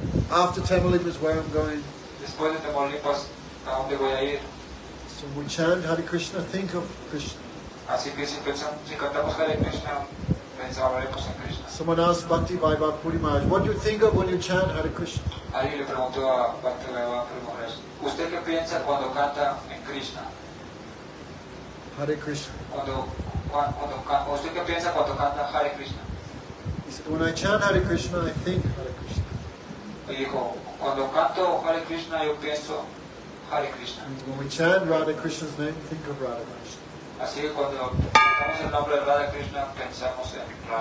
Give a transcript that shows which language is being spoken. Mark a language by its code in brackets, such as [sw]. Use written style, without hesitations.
[en] After Tamaulipas, where I'm going. [es] Después de Tamaulipas, ¿a dónde voy a ir? [en] So we chant Hare Krishna, think of Krishna. [es] Así que si cantamos Hare Krishna, pensaremos en Krishna. [en] Someone asked Bhakti Bhai Bhakti Maharaj, what do you think of when you chant Hare Krishna? [es] Alguien le preguntó a Bhakti Bhai Bhakti Maharaj, ¿usted qué piensa cuando canta en Krishna? [en] Hare Krishna. [es] Cuando ¿usted qué piensa cuando canta Hare Krishna? [en] He said, when I chant Hare Krishna, I think Hare Krishna. [es] Y dijo, cuando canto Hare Krishna, yo pienso Hare Krishna. [en] And when we chant Radha Krishna's name, think of Radha Krishna. [es] Así que cuando cantamos el nombre de Radha Krishna, pensamos en Radha